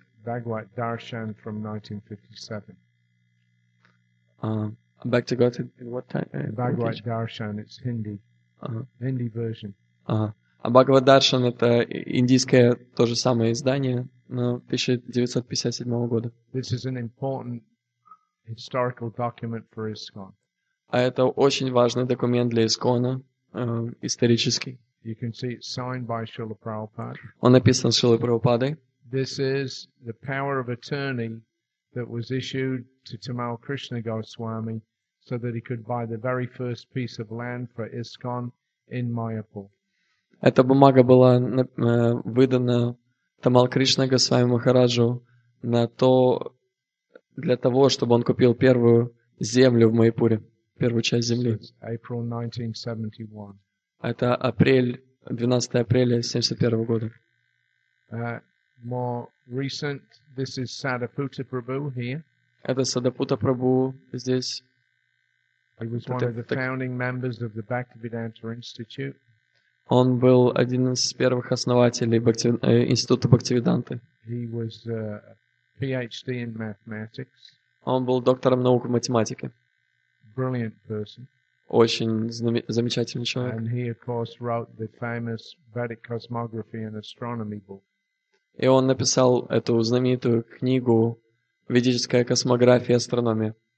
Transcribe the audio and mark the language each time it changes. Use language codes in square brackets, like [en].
[en] Bhagavat Darshan from 1957. Back to Godhead. In what time? Bhagavat Darshan. It's Hindi. Hindi version. [ru] А Бхагавад Даршан это индийское то же самое издание, но 1957 года. [en] This is an important historical document for ISKCON. [ru] А это очень важный документ для ISKCON, исторический. [en] You can see it's signed by Srila Prabhupada. [ru] Он написан Шрилой Прабхупадой. [en] This is the power of attorney that was issued to Tamal Krishna Goswami so that he could buy the very first piece of land for ISKCON in Mayapur. [ru] Эта бумага была выдана Тамал Кришна Госвами Махараджу на то для того, чтобы он купил первую землю в Майпуре, первую часть земли. [en] April 1971. [ru] Это апрель 12 апреля 71 года. [en] More recent, this is Sadaputa Prabhu here. [ru] Это Садапута Прабху здесь. [en] He was one of the founding members of the Bhaktivedanta Institute. [ru] Он был один из первых основателей института Бхактивиданты. [en] He was a PhD in mathematics. [ru] Он был доктором наук в математике. [en] Brilliant person. [ru] Очень замечательный человек. [en] And he, of course, wrote the famous Vedic cosmography and astronomy book. [ru] И он написал эту знаменитую книгу «Ведическая космография и астрономия».